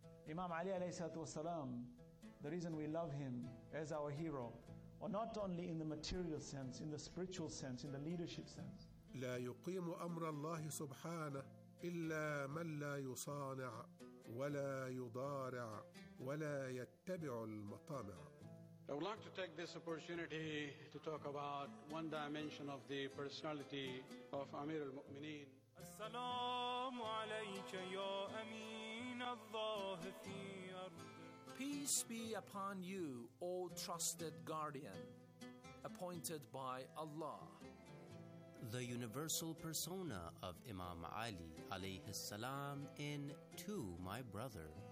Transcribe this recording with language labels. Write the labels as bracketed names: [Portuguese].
[English] Imam Ali alayhi salatu wasalam, the reason we love him as our hero, or not only in the material sense, in the spiritual sense, in the leadership sense. [Arabic] لا يقيم أمر الله سبحانه إلا من لا يصانع ولا يضارع ولا يتبع المطامع. [English] I would like to take this opportunity to talk about one dimension of the personality of Amir al-Mu'mineen. [Arabic] السلام عليك يا أمين الله في أرض. [English] Peace be upon you, O trusted guardian, appointed by Allah. The universal persona of Imam Ali alayhi salam in To My Brother.